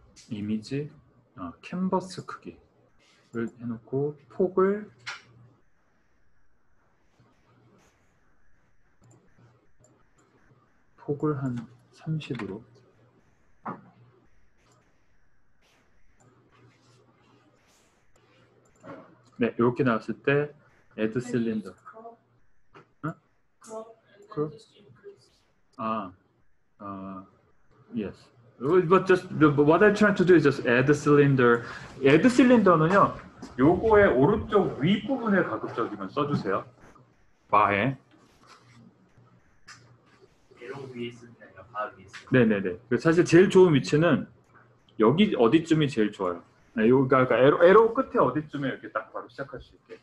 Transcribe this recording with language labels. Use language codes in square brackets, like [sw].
[ko] 이미지 캔버스 크기를 해놓고 폭을 폭을 한 30으로 네 이렇게 나왔을 때 add cylinder 응? 그? [en] 아 yes But just what I'm trying to do is just add cylinder. [ko] Add cylinder는요, 요거의 오른쪽 윗부분을 가급적이면 써주세요. 바에. 배로 위에 있으면 바 위에 있으면. 네네네. 사실 제일 좋은 위치는 여기 어디쯤이 제일 좋아요. 네, 여기가 그러니까 에로 끝에 어디쯤에 이렇게 딱 바로 시작할 수 있게.